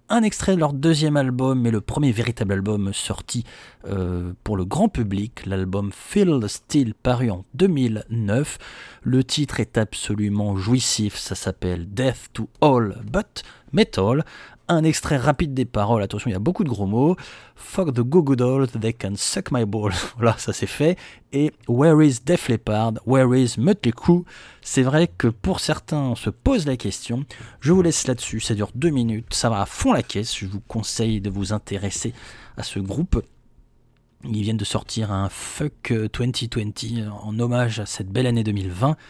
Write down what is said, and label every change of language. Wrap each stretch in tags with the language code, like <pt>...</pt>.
<fr>Un extrait de leur deuxième album, mais le premier véritable album sorti pour le grand public, l'album Feel the Steel, paru en 2009. Le titre est absolument jouissif. Ça s'appelle Death to All But Metal. Un extrait rapide des paroles. Attention, il y a beaucoup de gros mots.</fr> <en>Fuck the Goo Goo Dolls, they can suck my balls.</en> <fr>Voilà, ça c'est fait. Et</fr> <en>Where is Def Leppard? Where is Mötley Crüe?</en> <fr>C'est vrai que pour certains, on se pose la question. Je vous laisse là-dessus. Ça dure 2 minutes. Ça va à fond la caisse. Je vous conseille de vous intéresser à ce groupe. Ils viennent de sortir un Fuck 2020 en hommage à cette belle année 2020.</fr>